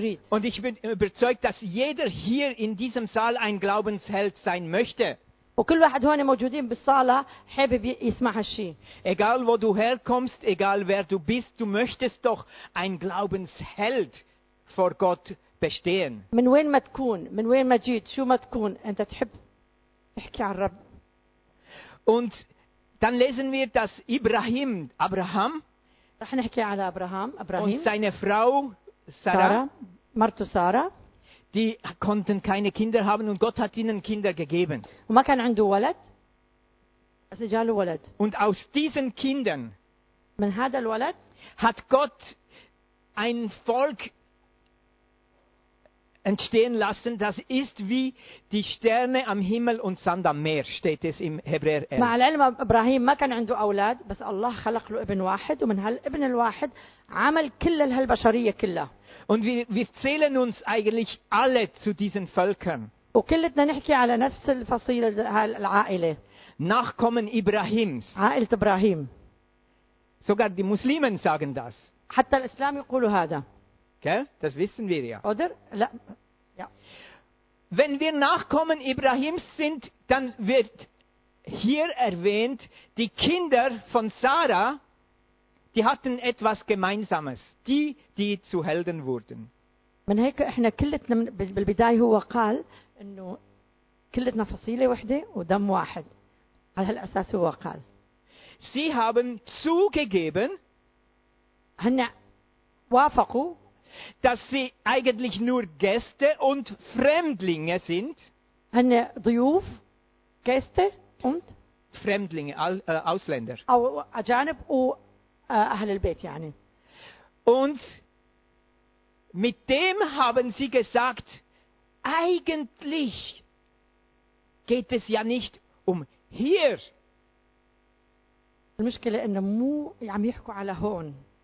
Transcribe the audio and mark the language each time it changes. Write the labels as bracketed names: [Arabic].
[German] Und ich bin überzeugt, dass jeder hier in diesem Saal ein Glaubensheld sein möchte. Egal wo du herkommst, egal wer du bist, du möchtest doch ein Glaubensheld vor Gott bestehen. [Arabic] من وين ما تكون من وين ما جيت شو ما تكون انت تحب تحكي عن الرب. [German] Und dann lesen wir, dass Abraham [Arabic] رح نحكي على ابراهيم [German] und seine Frau Sarah, [Arabic] مرته ساره, [German] die konnten keine Kinder haben und Gott hat ihnen Kinder gegeben. [Arabic] وما كان عنده ولد بس جاله ولد. [German] Und aus diesen Kindern [Arabic] من هذا الولد [German] hat Gott ein Volk entstehen lassen, das ist wie die Sterne am Himmel und Sand am Meer, steht es im Hebräer 11. [Arabic] مع العلم ابراهيم ما كان عنده اولاد بس الله خلق له ابن واحد ومن هالابن الواحد عمل كل هالبشريه كلها. [German] Und wir zählen uns eigentlich alle zu diesen Völkern. [Arabic] وكلتنا نحكي على نفس الفصيله هالعائله. [German] Nachkommen Ibrahims. [Arabic] عائلة ابراهيم. [German] Sogar die Muslimen sagen das. [Arabic] حتى الاسلام يقولوا هذا. [German] Gell? Das wissen wir ja. Oder? Ja. Wenn wir Nachkommen Ibrahims sind, dann wird hier erwähnt, die Kinder von Sarah, die hatten etwas Gemeinsames. Die zu Helden wurden. [Arabic] من هيك احنا كلتنا بالبداية هو قال انه كلتنا فصيلة واحدة ودم واحد. على هالأساس هو قال. [German] Sie haben zugegeben, [Arabic] هن وافقوا, [German] dass sie eigentlich nur Gäste und Fremdlinge sind. Eine ضيوف, Gäste und Fremdlinge, Ausländer. [Arabic] أجانب و أهل البيت يعني. [German] Und mit dem haben sie gesagt, eigentlich geht es ja nicht um hier. [Arabic] المشكلة إنه مو عم يحكوا على هون.